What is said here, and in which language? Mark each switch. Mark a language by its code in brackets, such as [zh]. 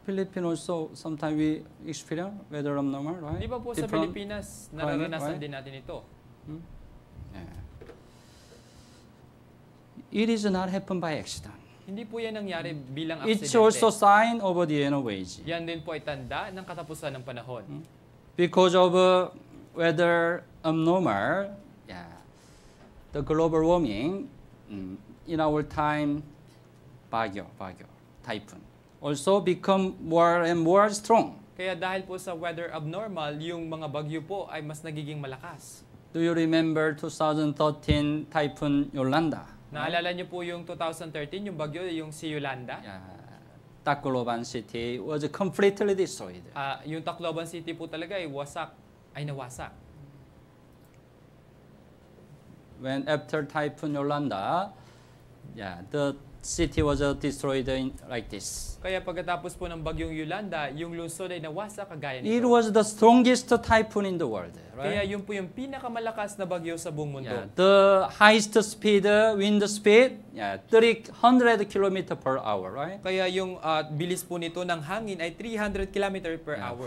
[en] Philippine also, sometimes we experience weather abnormal, right? [tl] Di ba po different sa Pilipinas, nararanasan climate, din natin ito. [en] Yeah. It is not happened by accident. [tl] Hindi po yan nangyari bilang aksidente. [en] It's also sign of the end of age. [tl] Yan din po ay tanda ng katapusan ng panahon. [en] Because of weather abnormal, the global warming, in our time, bagyo, typhoon, also become more and more strong. [tl] Kaya dahil po sa weather abnormal, yung mga bagyo po ay mas nagiging malakas. [en] Do you remember 2013 Typhoon Yolanda? [tl] Naalala niyo po yung 2013, yung bagyo, yung si Yolanda? [en] Tacloban City was completely destroyed. [tl] Yung Tacloban City po talaga ay wasak, ay nawasak. [en] When after Typhoon Yolanda, the city was destroyed like this. [tl] Kaya pagkatapos po ng bagyong Yolanda, yung lungsod ay nawasak kagaya nito. [en] It was the strongest typhoon in the world, right? [tl] Kaya yun po yung pinakamalakas na bagyo sa buong mundo. [en] Yeah, the highest speed, wind speed, 300 km per hour, right? [tl] Kaya yung bilis po nito ng hangin ay 300 km per hour.